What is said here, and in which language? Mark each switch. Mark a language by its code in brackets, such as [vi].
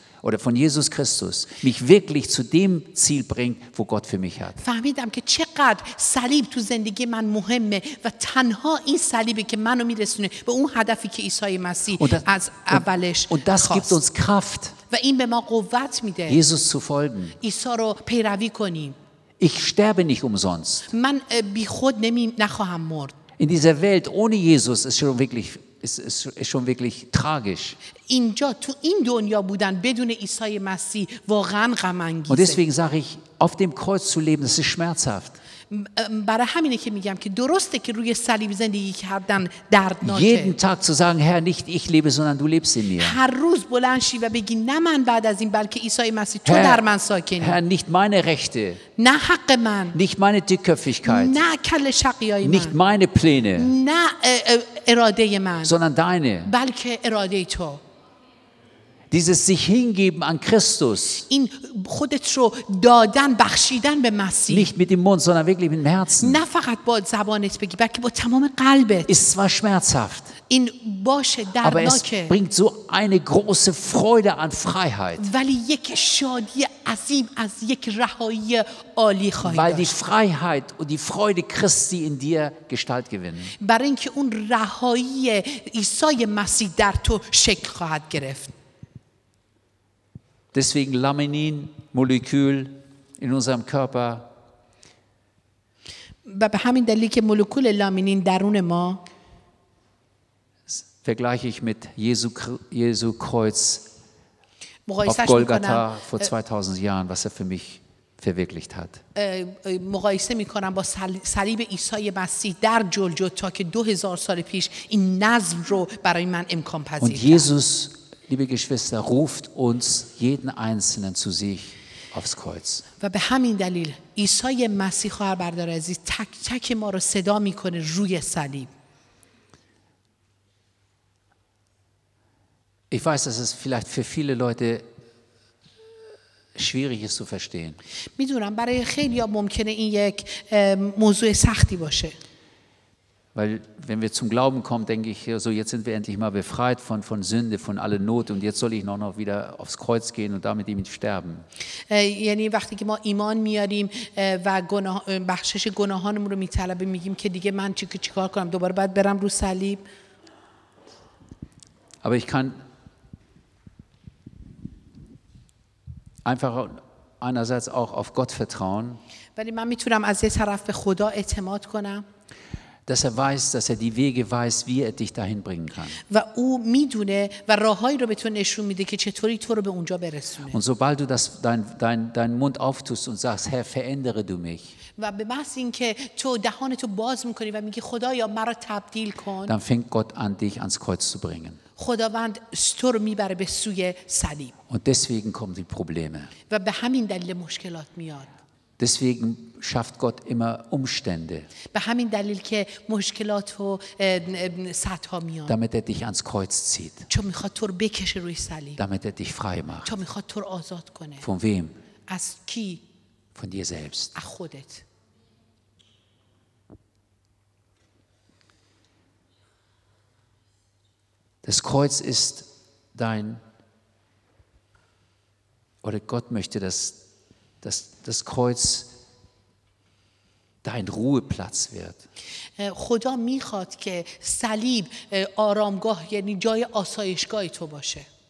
[de] oder von Jesus Christus mich wirklich zu dem Ziel bringt, wo Gott für mich hat. [fa] فهمیدم که چقدر صلیب تو زندگی من مهمه و تنها این صلیبی که منو میرسونه به اون هدفی که عیسی مسیح از اولش خواست. [de] Und das gibt uns Kraft. [fa] و این به ما قوت میده. [de] Jesus zu folgen. [fa] عیسی رو پیروی کنیم. [de] Ich sterbe nicht umsonst. [fa] من بی خود نخواهم مرد. [de] In dieser Welt ohne Jesus ist schon wirklich tragisch. [fa] اینجا تو این دنیا بودن بدون عیسی مسیح واقعا غم انگیزه. [de] Und deswegen sage ich, auf dem Kreuz zu leben, das ist schmerzhaft. [fa] برای همینه که میگم که درسته که روی صلیب زندگی کردن دردناکه. [de] Jeden Tag zu sagen, Herr, nicht ich lebe, sondern du lebst in mir. [fa] هر روز بلند شی و بگی نه من بعد از این بلکه عیسی مسیح تو در من ساکنی. [de] Herr, nicht meine Rechte. [fa] نه حق من. [de] Nicht meine Dickköpfigkeit. [fa] نه کل شقیای من. [de] Nicht meine Pläne. [fa] نه اراده من. [de] Sondern deine. [fa] بلکه اراده تو. [de] Dieses sich hingeben an Christus. [fa] این خودت رو دادن بخشیدن به مسیح. [de] Nicht mit dem Mund, sondern wirklich mit dem Herzen. [fa] نه فقط با زبانت بگی، بلکه با تمام قلبت. [de] Ist zwar schmerzhaft. [fa] این باشه دردناک. [de] Aber es bringt so eine große Freude an Freiheit. [fa] ولی یک شادی عظیم از یک رهایی عالی خواهی داشت. [de] Weil die Freiheit und die Freude Christi in dir Gestalt gewinnen. [fa] برای اینکه اون رهایی عیسی مسیح در تو شکل خواهد گرفت. [de] Deswegen Laminin, Molekül in unserem Körper. [fa] به همین دلیل که مولکول لامینین درون ما. [de] Vergleiche ich mit Jesu Kreuz auf Golgatha vor 2000 Jahren, was er für mich verwirklicht hat. [fa] مقایسه میکنم با صلیب عیسی مسیح در جلجتا که 2000 سال پیش این نظم رو برای من امکان پذیرفت. [de] Und Jesus, liebe Geschwister, ruft uns jeden Einzelnen zu sich aufs Kreuz. [fa] و به همین دلیل عیسی مسیح خواهر برادر عزیز تک تک ما رو صدا میکنه روی صلیب. [de] Ich weiß, dass es vielleicht für viele Leute schwierig ist zu verstehen. [fa] میدونم برای خیلی‌ها ممکنه این یک موضوع سختی باشه. [de] Weil wenn wir zum Glauben kommen, denke ich, so jetzt sind wir endlich mal befreit von Sünde, von aller Not und jetzt soll ich noch wieder aufs Kreuz gehen und damit ihm sterben. [fa] یعنی وقتی که ما ایمان میاریم و گناه بخشش گناهانمون رو میطلبیم میگیم که دیگه من چیکار کنم دوباره باید برم رو صلیب. [de] Aber ich kann einfach einerseits auch auf Gott vertrauen. [fa] ولی من میتونم از یه طرف به خدا اعتماد کنم. [de] Dass er weiß, dass er die Wege weiß, wie er dich dahin bringen kann. Und sobald du das dein Mund auftust und sagst, Herr, verändere du mich. Dann fängt Gott an, dich ans Kreuz zu bringen. [fa] خداوند استور میبره به سوی صلیب. [de] Und deswegen kommen die Probleme. [fa] و به همین دلیل مشکلات میاد. [de] Deswegen schafft Gott immer Umstände. [fa] به همین دلیل که مشکلات و سطح ها میاد. [de] Damit er dich ans Kreuz zieht. [fa] چون میخواد تو رو بکشه روی صلیب. [de] Damit er dich frei macht. [fa] چون میخواد تو رو آزاد کنه. [de] Von wem? [fa] از کی؟ [de] Von dir selbst. [fa] از خودت. [de] Das Kreuz ist dein, oder Gott möchte, dass das Kreuz dein Ruheplatz wird. [fa] خدا میخواد که صلیب آرامگاه یعنی جای آسایشگاه تو باشه.